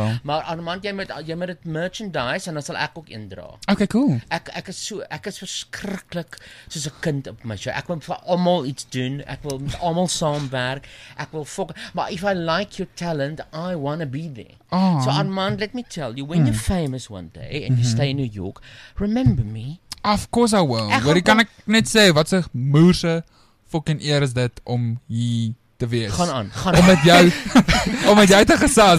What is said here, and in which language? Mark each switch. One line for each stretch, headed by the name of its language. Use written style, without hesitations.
Afrikaans: Maar Armand, jy moet dit merchandise en dan sal ek ook een dra. Okay, cool. Ek is verskriklik soos 'n kind op my show. Ek wil vir almal iets doen. Ek wil met almal saamwerk. Ek wil fuck, maar
English: if I like your talent, I want to be there. Oh. So Armand, let me tell you, when you're famous one day and you stay in New York, remember me. Of course I will.
Afrikaans: Wat kan ek net sê? Wat 'n moerse fucking eer is dit om hier te wees. Gaan aan. Om met jou om met jou te gesels.